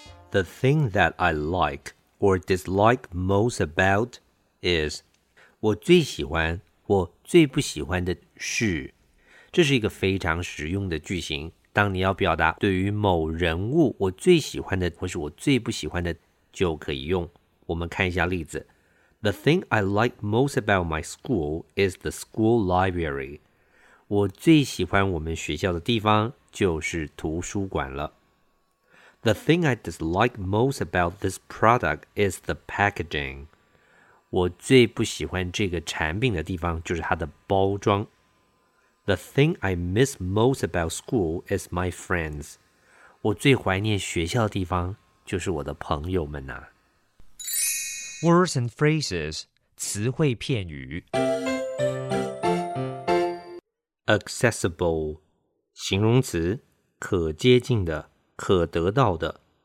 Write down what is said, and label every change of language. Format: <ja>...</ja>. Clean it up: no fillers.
<en>The thing that I like or dislike most about is</en> <zh>我最喜欢。我最不喜欢的是，这是一个非常实用的句型。当你要表达对于某人物，我最喜欢的或是我最不喜欢的就可以用。我们看一下例子。</zh> <en>The thing I like most about my school is the school library.</en> <zh>我最喜欢我们学校的地方就是图书馆了。</zh> <en>The thing I dislike most about this product is the packaging.</en> <zh>我最不喜欢这个产品的地方就是它的包装。</zh> <en>The thing I miss most about school is my friends.</en> <zh>我最怀念学校的地方就是我的朋友们啊。</zh> <en>Words and phrases,</en> <zh>词汇片语。</zh> <en>Accessible,</en> <zh>形容词，可接近的，可得到的。</zh>